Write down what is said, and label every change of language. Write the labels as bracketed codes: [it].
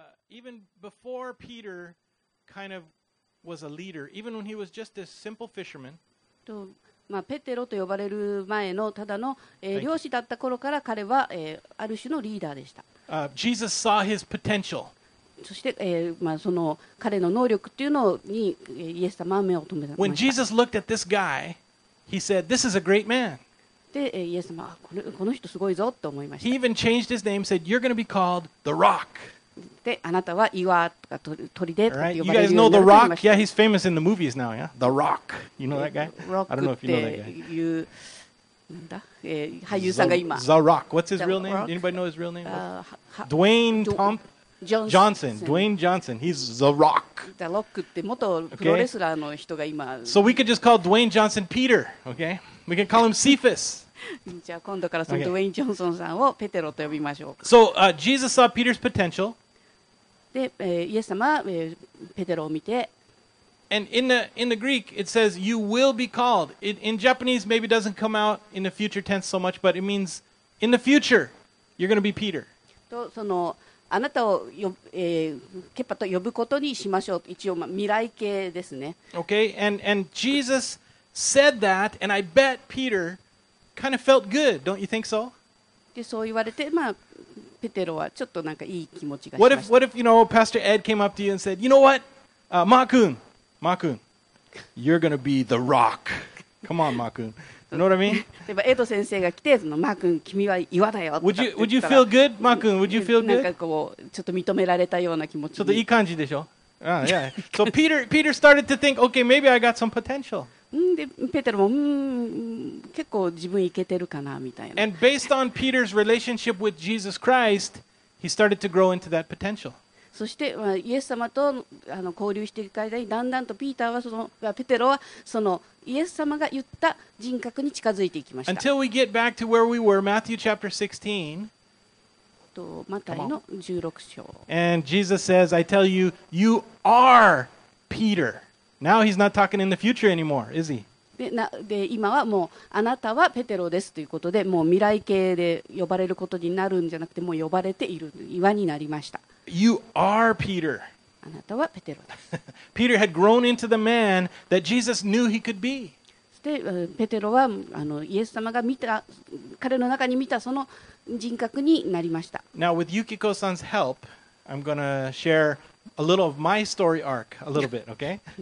[en] even before Peter kind of was a leader, even when he was just a simple fisherman. [ja] とまあ、ペテロと呼ばれる前のただの、漁師だった頃から彼は、ある種のリーダーでした。 [en] Jesus saw his potential. [ja] そして、まあ、その彼の能力っていうのにイエス様は目を留めました。 [en] When Jesus looked at this guy, he said, "This is a great man." [ja] で、イエス様はこの人すごいぞと思いました。 [en] He even changed his name, said, "You're going to be called the Rock." [ja] で、あなたは岩とか鳥でとか呼ばれるようになりました。 [en] Right? You guys know the Rock? Yeah, he's famous in the movies now. Yeah, the Rock. You know that guy? Rock. I don't know if you know that guy. [ja] You, なんだ、俳優さんが今。 [en] The Rock. What's his real name? Anybody know his real name? Dwayne Thompson. Johnson. Dwayne Johnson. He's The Rock. [ja] The Rock って元プロレスラーの人が今。 [en] So we could just call Dwayne Johnson Peter. Okay. We can call him Cephas. [ja] じゃあ今度からそのドウェイン・ジョンソンさんをペテロと呼びましょう。 [en] So, Jesus saw Peter's potential. [ja] で、イエス様は、ペテロを見て。 [en] And in the Greek, it says, you will be called. In Japanese, maybe it doesn't come out in the future tense so much, but it means, in the future, you're going to be Peter. [ja] と、その、あなたをよ、ケッパと呼ぶことにしましょう。一応、まあ、未来形ですね。 [en] Okay, and Jesus said that, and I bet Peter... Kind of felt good, don't you think so? [ja] で、そう言われて、まあ、ペテロはちょっとなんかいい気持ちがしました。 [en] What if, you know, Pastor Ed came up to you and said, you know what, Mark-kun, you're going to be the rock. Come on, Mark-kun. You know what I mean? [ja] 例えば、エド先生が来て、そのマー君、君は岩だよ。 [en] Would you feel good, Mark-kun? Would you feel good? [ja] なんかこう、ちょっと認められたような気持ちに。ちょっといい感じでしょ。 [en] Yeah. So Peter started to think, okay, maybe I got some potential. [ja] でペテロも結構自分イケてるかなみたいな。 [en] And based on Peter's relationship with Jesus Christ, he started to grow into that potential. [ja] そして、まあ、イエス様とあの交流していく間にだんだんとピーターはそのペテロはそのイエス様が言った人格に近づいていきました。 [en] Until we get back to where we were, Matthew chapter 16. [ja] とマタイの16章。 [en] And Jesus says, "I tell you, you are Peter." Now he's not talking in the future anymore, is he? [ja] で今はもうあなたはペテロですということで、もう未来形で呼ばれることになるんじゃなくて、もう呼ばれている岩になりました。 [en] You are Peter. [ja] あなたはペテロです。 [en] Peter had grown into the man that Jesus knew he could be. [ja] で、ペテロはあのイエス様が見た彼の中に見たその人格になりました。 [en] Now with Yukiko-san's help, I'm going to share. A little of my story arc, a little bit, okay?